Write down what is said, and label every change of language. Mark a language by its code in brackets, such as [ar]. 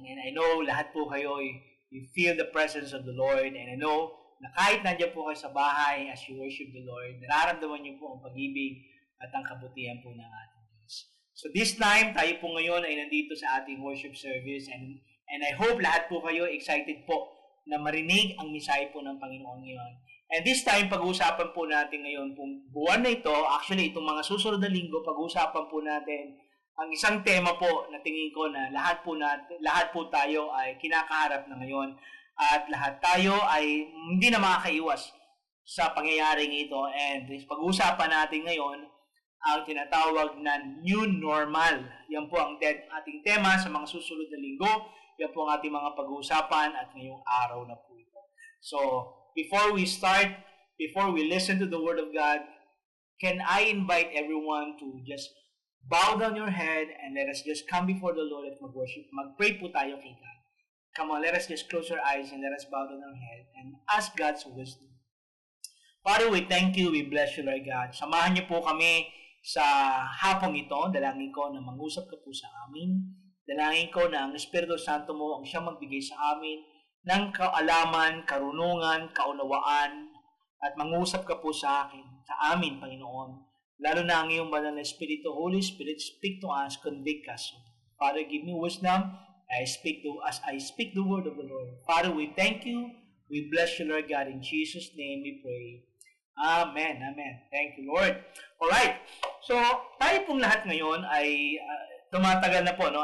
[en] And I know [tl] lahat po kayo, [en] you feel the presence of the Lord. [tl] And I know na kahit nandiyan po kayo sa bahay [en] as you worship the Lord, [tl] nararamdaman niyo po ang pag-ibig at ang kabutihan po ng ating Diyos. So this time, tayo po ngayon ay nandito sa ating worship service. [en] And I hope [tl] lahat po kayo excited po na marinig ang misahe po ng Panginoon ngayon. And this time, pag-uusapan po natin ngayon, kung buwan na ito, actually, itong mga susunod na linggo, pag-uusapan po natin ang isang tema po na tingin ko na lahat po tayo ay kinakaharap na ngayon at lahat tayo ay hindi na makakaiwas sa pangyayaring ito. And pag-uusapan natin ngayon ang tinatawag na new normal. Yan po ang ating tema sa mga susunod na linggo. Yan po ang ating mga pag-uusapan at ngayong araw na po ito. [en] So, before we listen to the Word of God, can I invite everyone to just bow down your head and let us just come before the Lord [tl] at mag-worship. Mag-pray po tayo kay God. [en] Come on, let us just close our eyes and let us bow down our head and ask God's wisdom. Father, we thank you, we bless you, Lord God. [tl] Samahan niyo po kami sa hapong ito. Dalangin ko na mag-usap ka po sa amin. Dalangin ko na ang Espiritu Santo mo ang siyang magbigay sa amin ng kaalaman, karunungan, kaunawaan, at mangusap ka po sa akin, sa amin, Panginoon. Lalo na ang iyong banal na Espiritu, Holy Spirit, [en] speak to us, convict us. Father, give me wisdom as I speak the word of the Lord. Father, we thank you. We bless you, Lord God. In Jesus' name we pray. Amen. Amen. Thank you, Lord. Alright. [tl] So, tayo pong lahat ngayon ay tumatagal na po, no?